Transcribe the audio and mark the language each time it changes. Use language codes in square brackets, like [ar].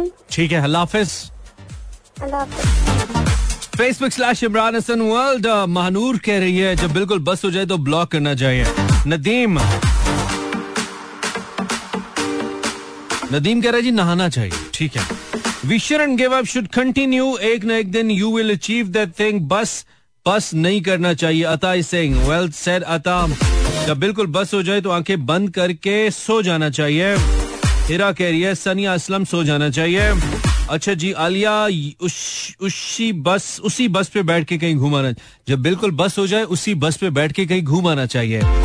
[hi] ठीक है, अल्लाह हाफिज़। अल्लाह हाफिज़। Facebook/ImranHassanWorld महानूर कह रही है जब बिल्कुल बस हो जाए तो ब्लॉक करना चाहिए. नदीम कह रहा है जी नहाना चाहिए. ठीक है. [en] We shouldn't give up, should continue. [hi] एक ना एक दिन [en] you will achieve that thing. [hi] बस नहीं करना चाहिए. [en] Ata is saying, well said Ata. [hi] जब बिल्कुल बस हो जाए तो आंखें बंद करके सो जाना चाहिए. हिरा कह रही है सनिया असलम सो जाना चाहिए. अच्छा जी आलिया उसी बस पे बैठ के कहीं घूमाना. जब बिल्कुल बस हो जाए उसी बस पे बैठ के कहीं घूमाना चाहिए.